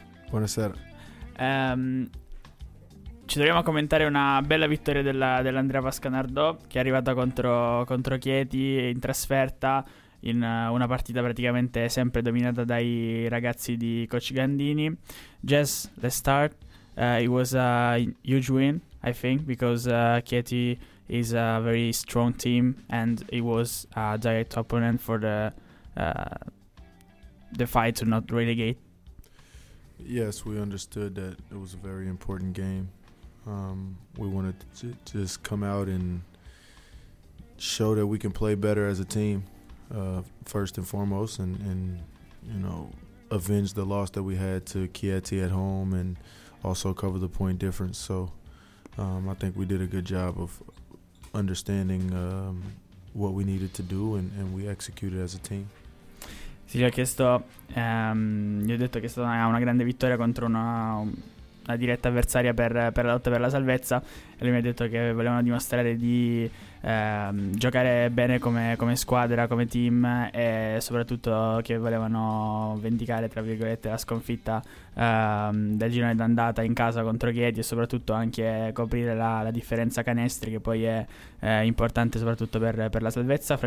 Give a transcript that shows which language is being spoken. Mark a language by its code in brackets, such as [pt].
[it] Buonasera. Ci troviamo a commentare una bella vittoria dell'Andrea Pascanardò, che è arrivata contro Chieti in trasferta, in una partita praticamente sempre dominata dai ragazzi di Coach Gandini. [en] Jazz, let's start. It was a huge win, I think, because Chieti is a very strong team and it was a direct opponent for the fight to not relegate. Yes, we understood that it was a very important game. We wanted to just come out and show that we can play better as a team, first and foremost, and you know, avenge the loss that we had to Chieti at home and also cover the point difference. So I think we did a good job of understanding what we needed to do, and we executed as a team. [it] Sì, gli ho detto che è stata una grande vittoria contro una diretta avversaria per la lotta per la salvezza, e lui mi ha detto che volevano dimostrare di giocare bene come squadra, come team, e soprattutto che volevano vendicare, tra virgolette, la sconfitta del girone d'andata in casa contro Chieti, e soprattutto anche coprire la differenza canestri, che poi è importante soprattutto per la salvezza.